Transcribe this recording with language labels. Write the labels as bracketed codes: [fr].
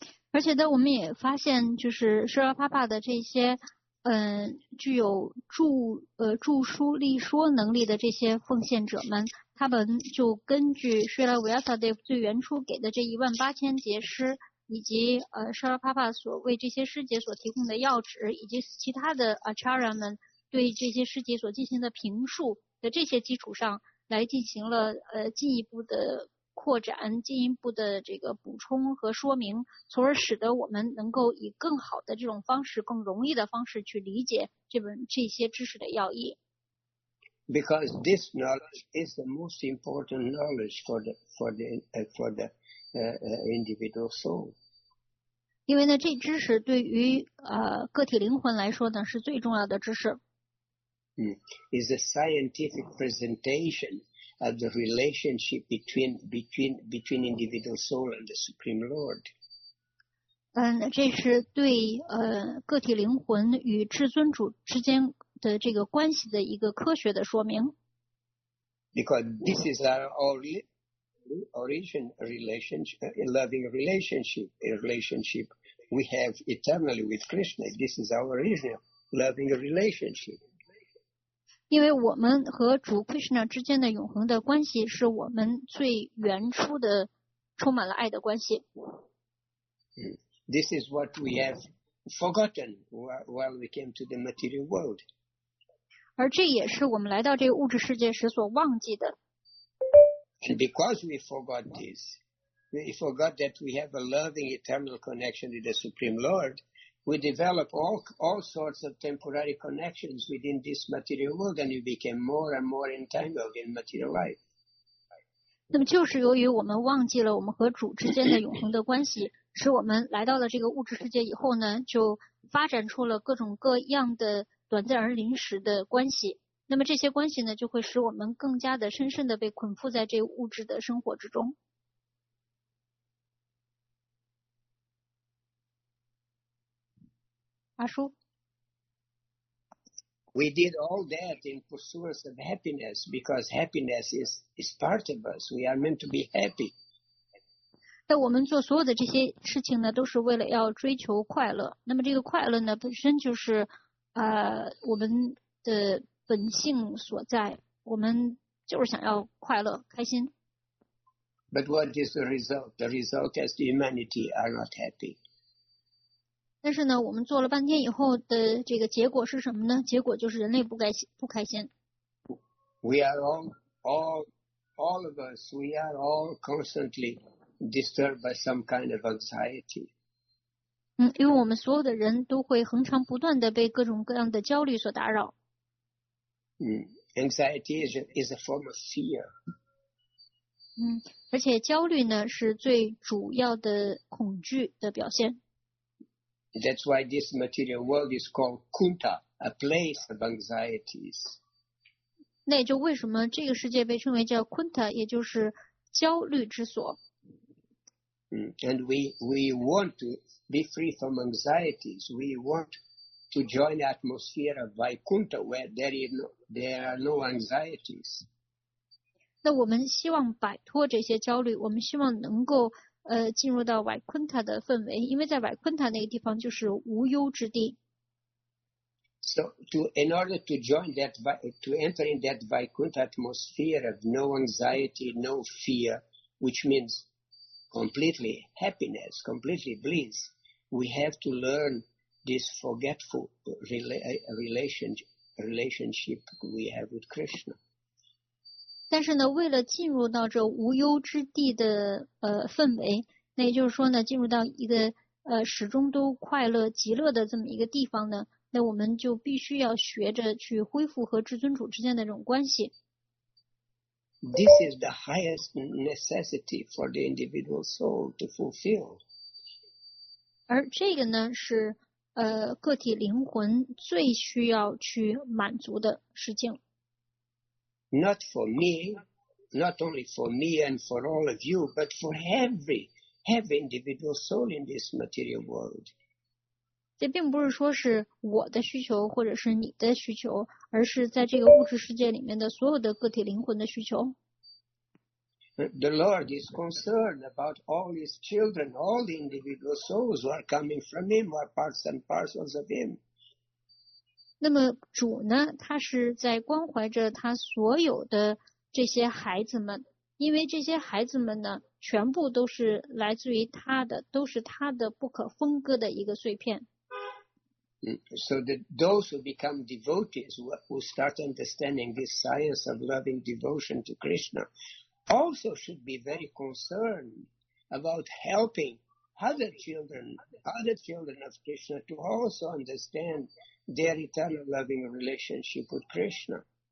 [zh] 而且呢，我们也发现，就是舍拉帕帕的这些，具有著书立说能力的这些奉献者们，他们就根据舍拉维亚萨德最原初给的这18000节诗，以及舍拉帕帕所为这些诗节所提供的要旨，以及其他的acharya们对这些诗节所进行的评述的这些基础上，来进行了进一步的扩展，进一步的这个补充和说明，从而使得我们能够以更好的这种方式，更容易的方式去理解这些知识的要义。 [en] Because this knowledge is the most important knowledge for the individual soul. [zh] 因为呢，这知识对于个体灵魂来说呢，是最重要的知识。 [en] Is a scientific presentation of the relationship between individual soul and the Supreme Lord. [zh] 这是对个体灵魂与至尊主之间的这个关系的一个科学的说明。 [en] Because this is our origin relationship, a loving relationship, a relationship we have eternally with Krishna. This is our original loving relationship. [zh] 因为我们和主 Krishna 之间的永恒的关系是我们最原初的充满了爱的关系。 [en] This is what we have forgotten while we came to the material world. [zh] 而这也是我们来到这个物质世界时所忘记的。 [en] And because we forgot this, we forgot that we have a loving eternal connection to the Supreme Lord,We develop all sorts of temporary connections within this material world, and we became more and more entangled in material life. [zh] 那么就是由于我们忘记了我们和主之间的永恒的关系，使我们来到了这个物质世界以后呢，就发展出了各种各样的短暂而临时的关系。那么这些关系呢，就会使我们更加的深深的被捆缚在这物质的生活之中。阿叔 [en] We did all that in pursuit of happiness because happiness is part of us. We are meant to be happy. [zh] 那我们做所有的这些事情呢，都是为了要追求快乐。那么这个快乐呢，本身就是我们的本性所在。我们就是想要快乐、开心。 [en] But what is the result? The result is the humanity are not happy. [zh] 但是呢，我们做了半天以后的这个结果是什么呢？结果就是人类不开心。 [en] We are all of us. We are all constantly disturbed by some kind of anxiety. [zh] 因为我们所有的人都会恒常不断地被各种各样的焦虑所打扰。 [en] Anxiety is a form of fear. [zh] 而且焦虑呢是最主要的恐惧的表现。 [en] That's why this material world is called Kunta, a place of anxieties. [zh] 那也就为什么这个世界被称为叫 Kunta, 也就是焦虑之所。 [en] And we want to be free from anxieties. We want to join the atmosphere of Vaikuntha where there are no anxieties. [zh] 那我们希望摆脱这些焦虑，我们希望能够进入到 Vaikuntha 的氛围，因为在 Vaikuntha 那个地方就是无忧之地。 [en] So in order to enter in that Vaikuntha atmosphere of no anxiety, no fear, which means completely happiness, completely bliss, we have to learn this forgetful relationship we have with Krishna. [zh] 但是呢，为了进入到这无忧之地的氛围，那也就是说呢，进入到一个始终都快乐极乐的这么一个地方呢，那我们就必须要学着去恢复和至尊主之间的这种关系。 [en] This is the highest necessity for the individual soul to fulfill. [zh] 而这个呢是个体灵魂最需要去满足的事情。 [en] Not for me, not only for me and for all of you, but for every individual soul in this material world. [zh] 这并不是说是我的需求或者是你的需求，而是在这个物质世界里面的所有的个体灵魂的需求。 [en] The Lord is concerned about all His children, all the individual souls who are coming from Him, who are parts and parcels of Him. [zh] 那么主呢，他是在关怀着他所有的这些孩子们，因为这些孩子们呢，全部都是来自于他的，都是他的不可分割的一个碎片。 [en] So that those who become devotees, who start understanding this science of loving devotion to Krishna, also should be very concerned about helping other children of Krishna to also understand their eternal loving relationship with Krishna.